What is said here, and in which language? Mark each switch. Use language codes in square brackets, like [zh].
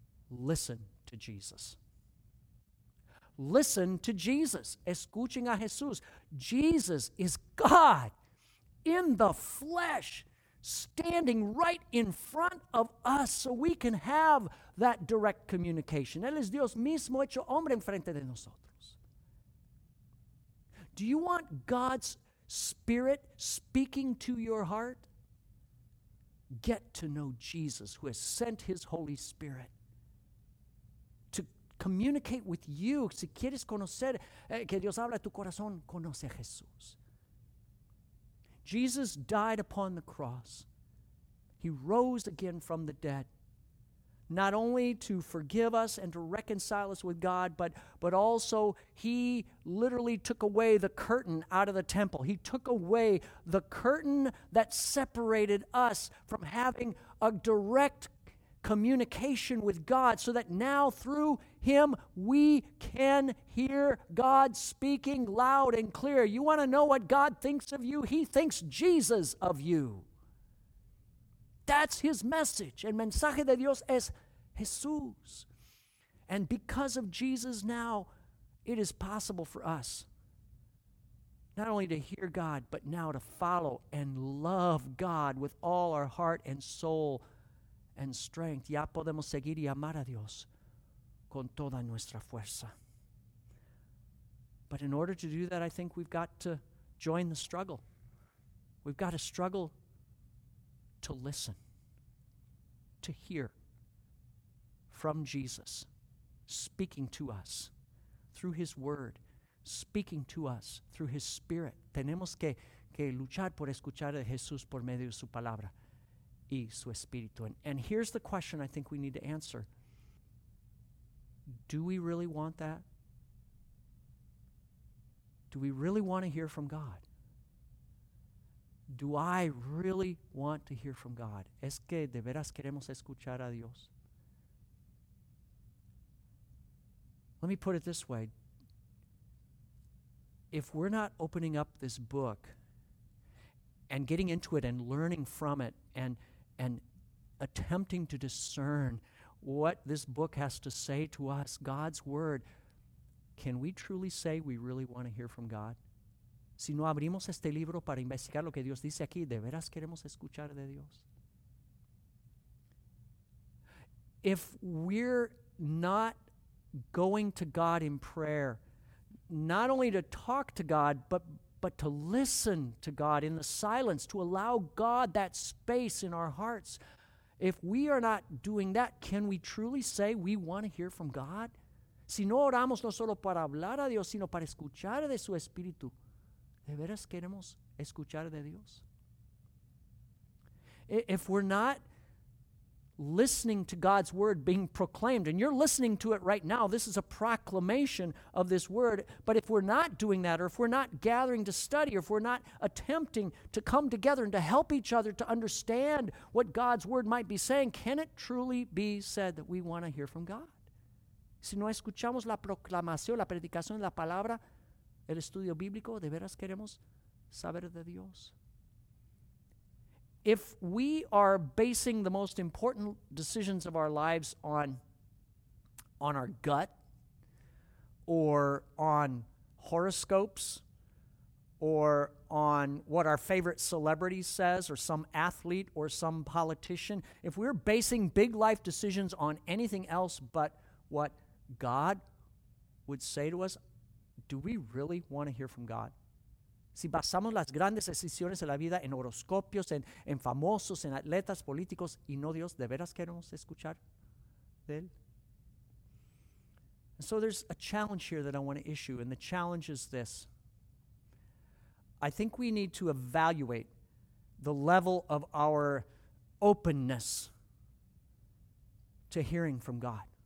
[en] Listen to Jesus. Listen to Jesus. [es] Escuchen a Jesús. [en] Jesus is God in the flesh, standing right in front of us so we can have that direct communication. [es] Él es Dios mismo hecho hombre en frente de nosotros. [en] Do you want God's Spirit speaking to your heart? Get to know Jesus, who has sent his Holy Spirit to communicate with you. [es] Si quieres conocer que Dios habla a tu corazón, conoce a Jesús. [en] Jesus died upon the cross. He rose again from the dead, not only to forgive us and to reconcile us with God, but also he literally took away the curtain out of the temple. He took away the curtain that separated us from having a direct communication with God, so that now through him we can hear God speaking loud and clear. You want to know what God thinks of you? He thinks Jesus of you. That's his message. [es] El mensaje de Dios es Jesús. [en] And because of Jesus now, it is possible for us not only to hear God, but now to follow and love God with all our heart and soul and strength. [es] Ya podemos seguir y amar a Dios con toda nuestra fuerza. [en] But in order to do that, I think we've got to join the struggle. We've got to struggle to listen, to hear from Jesus, speaking to us through his word, speaking to us through his spirit. [es] Tenemos que luchar por escuchar a Jesús por medio de su palabra y su espíritu. [en] And here's the question I think we need to answer. Do we really want that? Do we really want to hear from God? Do I really want to hear from God? [es] ¿Es que de veras queremos escuchar a Dios? [en] Let me put it this way. If we're not opening up this book and getting into it and learning from it and attempting to discern what this book has to say to us, God's word, can we truly say we really want to hear from God? [es] Si no abrimos este libro para investigar lo que Dios dice aquí, ¿de veras queremos escuchar de Dios? [en] If we're not going to God in prayer, not only to talk to God, but to listen to God in the silence, to allow God that space in our hearts, if we are not doing that, can we truly say we want to hear from God? [es] Si no oramos no solo para hablar a Dios, sino para escuchar de su espíritu, ¿de veras queremos escuchar de Dios? [en] If we're not listening to God's word being proclaimed, and you're listening to it right now, this is a proclamation of this word, but if we're not doing that, or if we're not gathering to study, or if we're not attempting to come together and to help each other to understand what God's word might be saying, can it truly be said that we want to hear from God? [es] Si no escuchamos la proclamación, la predicación de la palabra, el estudio bíblico, ¿de veras queremos saber de Dios? [en] If we are basing the most important decisions of our lives on our gut or on horoscopes or on what our favorite celebrity says or some athlete or some politician, if we're basing big life decisions on anything else but what God would say to us, do we really want to hear from God? [es] Si basamos las grandes decisiones de la vida en horoscopios, en famosos, en atletas, políticos, y no Dios, ¿de veras queremos escuchar de él? [en] And so there's a challenge here that I want to issue, and the challenge is this. I think we need to evaluate the level of our openness to hearing from God.